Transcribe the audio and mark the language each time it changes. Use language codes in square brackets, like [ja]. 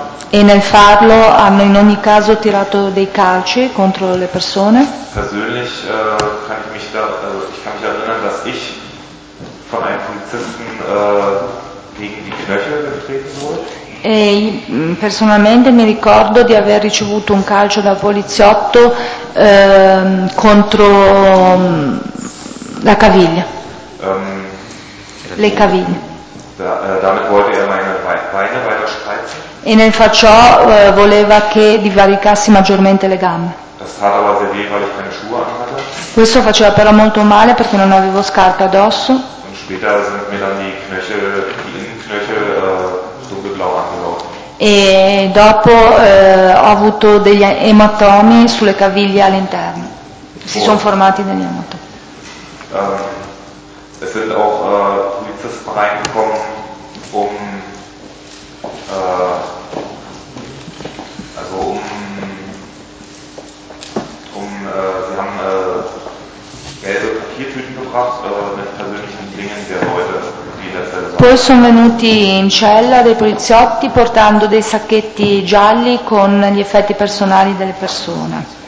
[it] e nel farlo hanno in ogni caso tirato dei calci contro le persone. [de] Persönlich kann ich mich da ich kann mich erinnern, dass ich von einem Polizisten gegen die Knöchel getreten wurde. [it] E personalmente mi ricordo di aver ricevuto un calcio dal poliziotto contro la caviglia. Le caviglie. [de] Damit wollte er meine Beine weiter spreizen. [it] E nel faccio voleva che divaricassi maggiormente le gambe. [de] Das tat aber sehr weh, weil ich keine Schuhe anhatte. [it] Questo faceva però molto male perché non avevo scarpe addosso. [de] Und später sind mir dann die Knöchel, die Innenknöchel dunkelblau angelaufen. [it] E dopo ho avuto degli ematomi sulle caviglie all'interno. Si sono formati degli ematomi. [de] Es sind auch Polizisten reingekommen, um also um sie haben gelbe Papiertüten gebracht mit persönlichen Dingen der Leute. [it] Poi sono venuti in cella dei poliziotti portando dei sacchetti gialli con gli effetti personali delle persone.